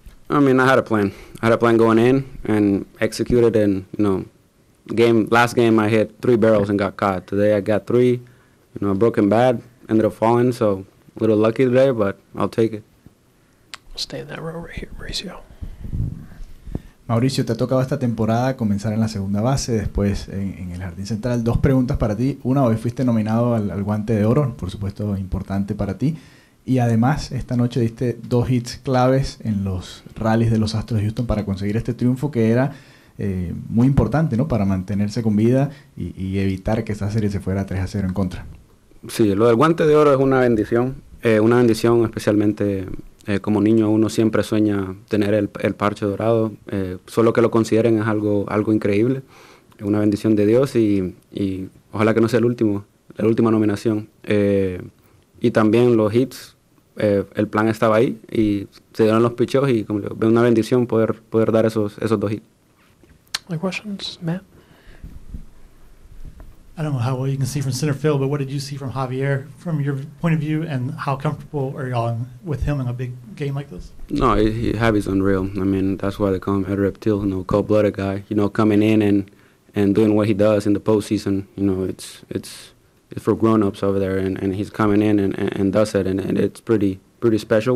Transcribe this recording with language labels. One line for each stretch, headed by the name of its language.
English: I mean, I had a plan. I had a plan going in and executed, and, you know, Last game, I hit three barrels and got caught. Today, I got three. You know, a broken bat, ended up falling, so a little lucky today, but I'll take it. Stay in that row right here, Mauricio.
Spanish: Mauricio, te ha tocado esta temporada comenzar en la segunda base, después en el jardín central. Dos preguntas para ti. Una, hoy fuiste nominado al guante de oro, por supuesto, importante para ti. Y además, esta noche diste dos hits claves en los rallies de los Astros de Houston para conseguir este triunfo, que era muy importante, ¿no? Para mantenerse con vida y evitar que esta serie se fuera 3-0 en contra. Sí, lo del guante de oro es una bendición. Una bendición especialmente como niño, uno siempre sueña tener el parche dorado. Solo que lo consideren es algo increíble. Es una bendición de Dios y ojalá que no sea la última nominación. Y también los hits, el plan estaba ahí y se dieron los picheos y como digo, una bendición poder dar esos dos hits.
English: Any questions, Matt? I don't know how well you can see from center field, but what did you see from Javier from your point of view, and how comfortable are y'all with him in a big game like this? No, Javi's unreal. I mean, that's why they call him a reptile, you know, cold-blooded guy. You know, coming in and doing what he does in the postseason, you know, it's for grown-ups over there, and he's coming in and does it, and it's pretty special.